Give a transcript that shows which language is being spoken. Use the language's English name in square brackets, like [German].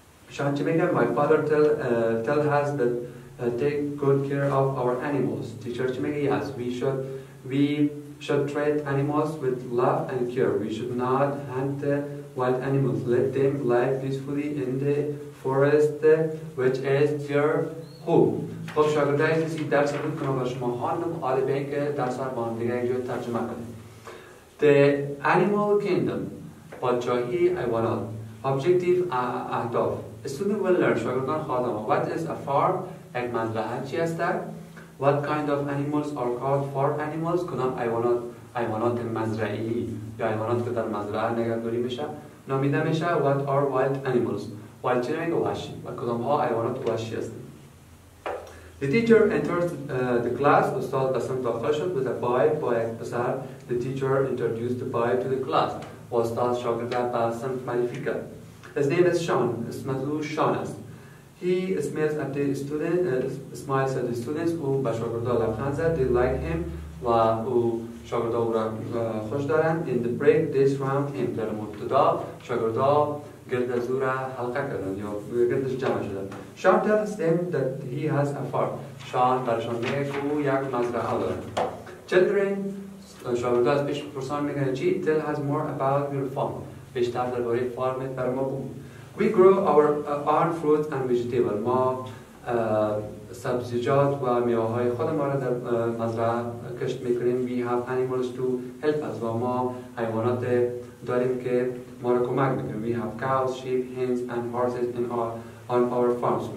[English] Shanchimega, my father tell us that take good care of our animals. Teacher Chimega, yes, we should treat animals with love and care. We should not hunt wild animals. Let them live peacefully in the forest, which is your [Persian] خوب. خب شاگردای عزیز درس رو بکنم با شما حال نمو آده به این که درس رو با هم دیگه اینجا ترجمه کنیم. [English] The Animal Kingdom [Persian] پادشاهی حیوانات. [English] Objective [Persian] اهداف. [English] Student will learn [Persian] شاگردان خواهد آمد. [English] What is a farm? [Persian] یک منزل هرچی هست در. [English] What kind of animals are called farm animals? [Persian] کنم حیوانات مزرعی یا حیوانات که در مزرعه نگهداری میشه. نامیده میشه. [English] What are wild animals? Wild [Persian] چی نمیگه وحشی. و کدام ها حیوانات وحشی هستن. [English] The teacher enters the class. [Persian] استاد به سمت داخل شد [English] with a boy. [Persian] Boy یک پسر. [English] The teacher introduced the boy to the class. [Persian] استاد شاگرد را به سمت معرفی کرد. [English] His name is Sean. [Persian] اسمش شان است. [English] He smiles at the student. Smiles at the students. [Persian] او با شاگردها لبخند زد. [English] They like him. [Persian] و او شاگردها او را خوش دارند. [English] In the break, they surround him. [Persian] در مبتدا شاگردها گرد از او را حلقه کردن یا گردش جمع شدن. [English] Sean tells them that he has a farm. [Persian] Sean برشان میگه که او یک مزرعه دارن. [English] Children, [Persian] شاگرده از پیش پرسان میگه چی؟ [English] Tell us more about your farm. [Persian] بیشتر در باره فارمت بر ما بگو. [English] We grow our own fruits and vegetables. [Persian] ما سبزیجات و میوه‌های خود ما را در مزرعه کشت میکنیم. [English] We have animals to help us. [Persian] و ما حیوانات داریم که ما را کمک میکنیم. [English] We have cows, sheep, hens, and horses in our, on our farms.